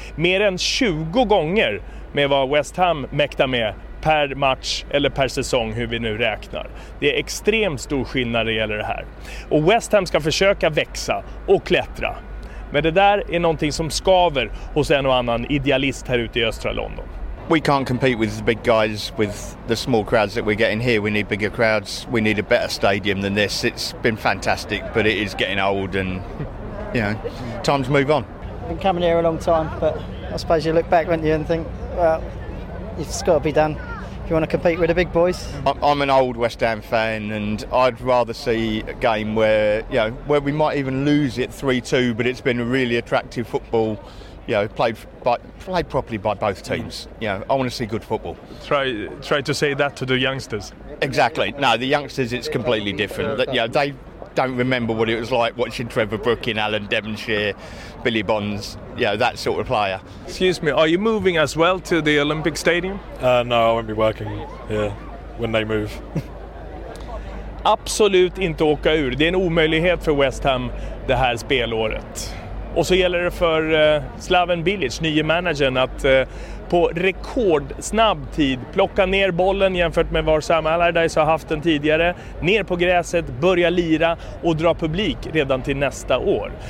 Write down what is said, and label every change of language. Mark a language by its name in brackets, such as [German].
[Swedish] Mer än 20 gånger med vad West Ham mäktar med per match eller per säsong, hur vi nu räknar. Det är extremt stor skillnad när det gäller det här. Och West Ham ska försöka växa och klättra. Men det där är någonting som skaver hos en och annan idealist här ute i östra London. [English] We can't compete with the big guys with the small crowds that we're getting here. We need bigger crowds. We need a better stadium than this. It's been fantastic, but it is getting old and, you know, time to move on. I've been coming here a long time, but I suppose you look back, don't you, and think, well, it's got to be done if you want to compete with the big boys. I'm an old West Ham fan and I'd rather see a game where, you know, where we might even lose it 3-2, but it's been a really attractive football, you know, played properly by both teams. You know, I want to see good football. Try to say that to the youngsters. Exactly. No, the youngsters, it's completely different. Yeah, you know, they don't remember what it was like watching Trevor Brook in Alan Devonshire, Billy Bonds, you know, that sort of player. Excuse me, are you moving as well to the Olympic Stadium? No, I won't be working here when they move. [Swedish] Absolut inte åka ur. Det är en omöjlighet för West Ham det här spelåret. Och så gäller det för Slaven Bilic, nye managern, att på rekordsnabb tid plocka ner bollen jämfört med var Sam Allardyce har haft den tidigare. Ner på gräset, börja lira och dra publik redan till nästa år.